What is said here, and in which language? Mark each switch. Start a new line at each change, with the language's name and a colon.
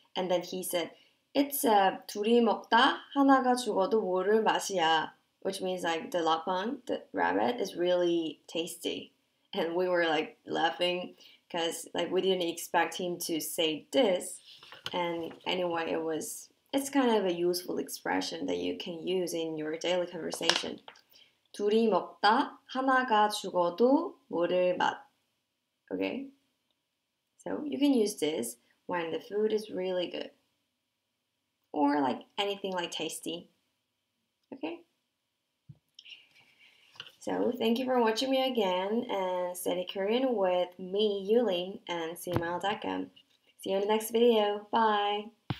English: And then he said, it's a
Korean: 둘이 먹다 하나가 죽어도 모를 맛이야,
English: which means like the lapin, the rabbit, is really tasty. And we were like laughing because like we didn't expect him to say this. And anyway, it's kind of a useful expression that you can use in your daily conversation.
Korean: 둘이 먹다 하나가 죽어도 모를 맛.
English: Okay? So you can use this when the food is really good. Or like anything like tasty. Okay? So, thank you for watching me again and study Korean with me, Yoolim, and seemile.com. See you in the next video. Bye!